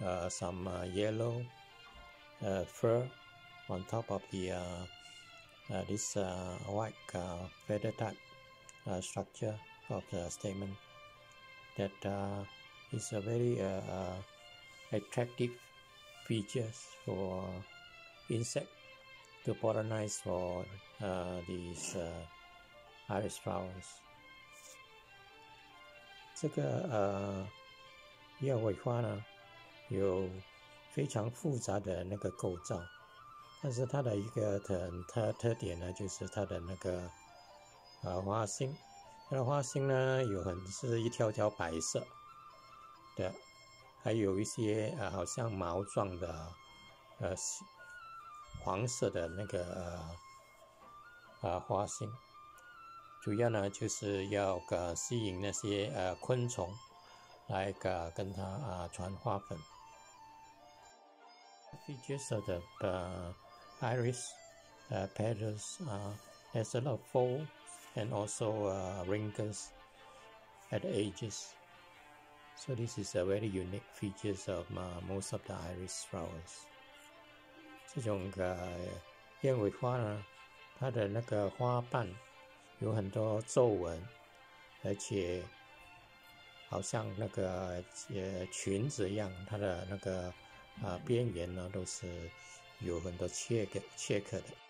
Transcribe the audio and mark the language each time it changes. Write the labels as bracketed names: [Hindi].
[English] some yellow fur on top of the white feather type structure of the stamen that is a very attractive features for insect to pollinize for these iris flowers. [Chinese] 这个鸢尾花呢有非常复杂的那个构造，但是它的一个特点呢就是它的那个花心，它的花心呢有很是一条条白色的，还有一些好像毛状的黄色的那个花心，主要呢就是要吸引那些昆虫来跟它传花粉。 [English] Features of the iris petals has a lot of fold and also wrinkles at the edges. So this is a very unique features of most of the iris flowers. [Chinese] 这种鸢尾花呢，它的那个花瓣有很多皱纹，而且好像那个裙子一样，它的那个边缘呢都是有很多切割的。